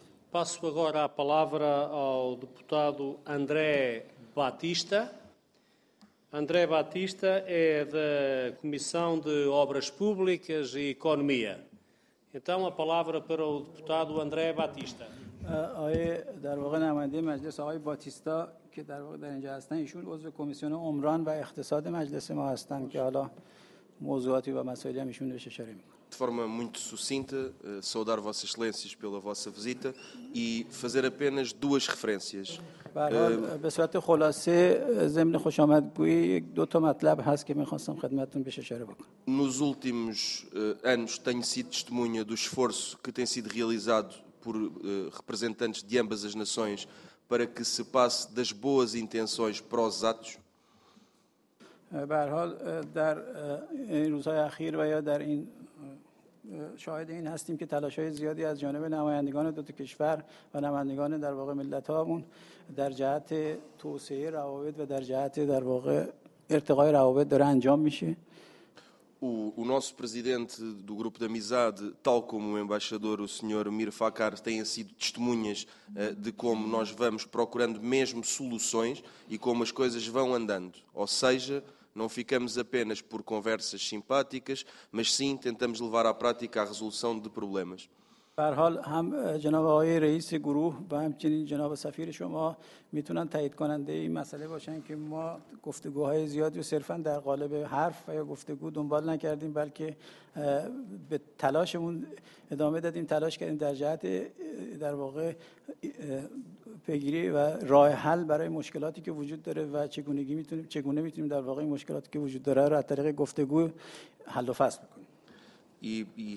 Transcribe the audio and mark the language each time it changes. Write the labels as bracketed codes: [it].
[pt] Passo agora a palavra ao deputado André Batista. André Batista é da Comissão de Obras Públicas e Economia. Então, a palavra para o deputado André Batista. [fa] آقای در واقع نماینده مجلس آقای باتیستا که در واقع در اینجا هستن ایشون عضو کمیسیون عمران و اقتصاد مجلس ما هستن که حالا موضوعاتی و مسائلی هم ایشون بشه شریم. [pt] De forma muito sucinta, saudar vossas excelências pela vossa visita e fazer apenas duas referências. [fa] به صورت خلاصه ضمن خوشامدگویی دو تا مطلب هست که می‌خواستم خدمتتون بشه اشاره بکنم. [pt] Nos últimos anos tenho sido testemunha do esforço que tem sido realizado por representantes de ambas as nações para que se passe das boas intenções para os atos. [fa] به هر حال در این روزهای اخیر و یا در این شاهد این هستیم که تلاش‌های زیادی از جانب نمایندگان دو تا کشور و نمایندگان در واقع ملت‌هامون در جهت توسعه روابط و در جهت در واقع ارتقای روابط داره انجام میشه. [pt] O nosso presidente do grupo de amizade, tal como o embaixador, o senhor Mir Fakhar, têm sido testemunhas de como nós vamos procurando mesmo soluções e como as coisas vão andando. Ou seja, não ficamos apenas por conversas simpáticas, mas sim tentamos levar à prática a resolução de problemas. [fa] بر حال هم جناب آقای رئیس گروه و همچنین جناب سفیر شما میتونن تایید کننده این مسئله باشن که ما گفتگوهای زیادی رو صرفا در قالب حرف یا گفتگو دنبال نکردیم بلکه به تلاشمون ادامه دادیم تلاش کردیم در جهت در واقع پیگیری و راه حل برای مشکلاتی که وجود داره و چگونه میتونیم در واقع این مشکلاتی که وجود داره رو از طریق گفتگو حل و فصل بکنیم.